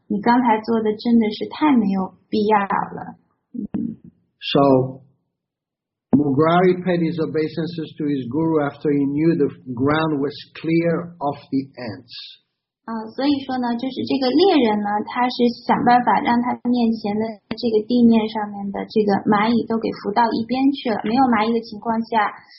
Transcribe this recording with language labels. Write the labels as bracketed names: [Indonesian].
[Chinese] 你刚才做的真的是太没有必要了。 [English] So, Mugrari paid his obeisances to his guru after he knew the ground was clear of the ants. [Chinese] 所以说呢，就是这个猎人呢，他是想办法让他面前的这个地面上面的这个蚂蚁都给扶到一边去了。没有蚂蚁的情况下，